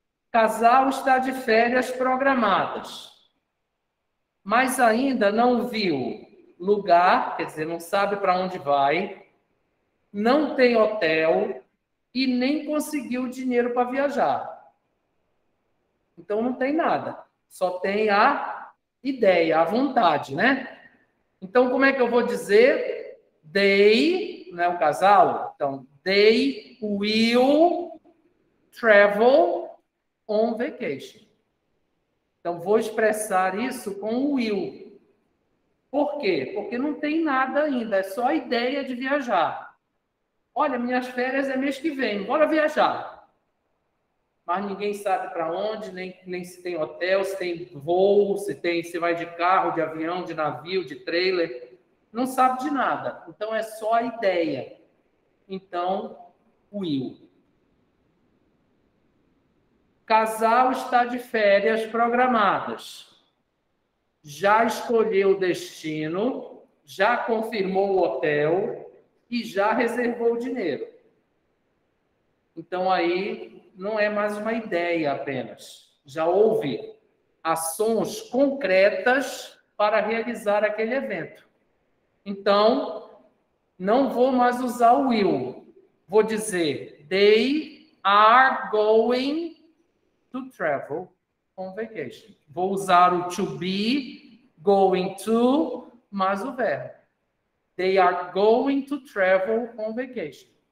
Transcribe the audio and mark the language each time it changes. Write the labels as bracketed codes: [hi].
[pt] Casal está de férias programadas, mas ainda não viu lugar, quer dizer, não sabe para onde vai, não tem hotel e nem conseguiu dinheiro para viajar. Então, não tem nada. Só tem a ideia, a vontade, né? Então, como é que eu vou dizer? They, né, o casal? [en] Então, they will travel on vacation. [pt] Então, vou expressar isso com o will. Por quê? Porque não tem nada ainda, é só a ideia de viajar. Olha, minhas férias é mês que vem, bora viajar. Mas ninguém sabe para onde, nem se tem hotel, se tem voo, se vai de carro, de avião, de navio, de trailer. Não sabe de nada. Então, é só a ideia. Então, will. Casal está de férias programadas. Já escolheu o destino, já confirmou o hotel e já reservou o dinheiro. Então, aí, não é mais uma ideia apenas. Já houve ações concretas para realizar aquele evento. Então, não vou mais usar o will. Vou dizer, [en] they are going to travel on vacation. [pt] Vou usar o to be, going to, mais o verbo. [en] They are going to travel on vacation.